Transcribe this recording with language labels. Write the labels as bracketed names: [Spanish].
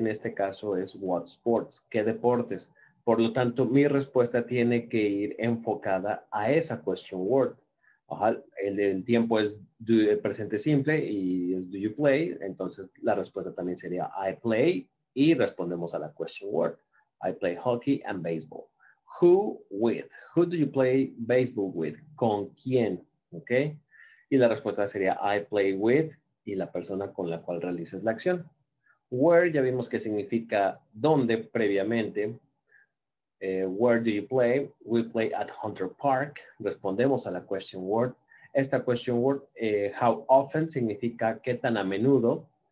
[Spanish] En este caso es what sports, qué deportes. Por lo tanto, mi respuesta tiene que ir enfocada a esa question word. El tiempo es el presente simple y es [English] do you play, [Spanish] entonces la respuesta también sería I play y respondemos a la question word. [English] I play hockey and baseball. Who with? Who do you play baseball with? [Spanish] ¿Con quién? ¿Okay? Y la respuesta sería [English] I play with [Spanish] y la persona con la cual realices la acción. Where ya vimos que significa dónde previamente. [English] Where do you play? We play at Hunter Park. [Spanish] Respondemos a la question word. Esta question word, how often, significa qué tan a menudo.